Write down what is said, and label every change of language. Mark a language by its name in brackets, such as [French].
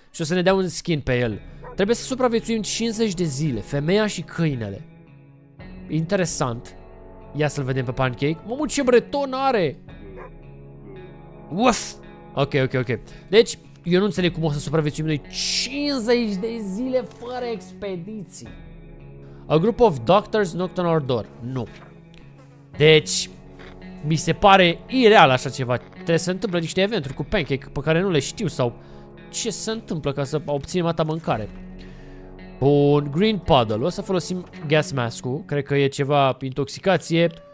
[Romanian] Și o să ne dea un skin pe el. Trebuie să supraviețuim 50 de zile, femeia și câinele. Interesant. Ia să-l vedem pe Pancake. Mamă, ce breton are! Uf! Ok. Deci, eu nu înțeleg cum o să supraviețuim noi 50 de zile fără expediții. [English] A group of doctors knocked on our door. [Romanian] Nu. Deci, mi se pare ireal așa ceva. Trebuie să se întâmple niște eventuri cu Pancake pe care nu le știu sau ce se întâmplă ca să obținem atâta mâncare. Bun, [English] green puddle. [Romanian] O să folosim gas mask-ul. Cred că e ceva intoxicație.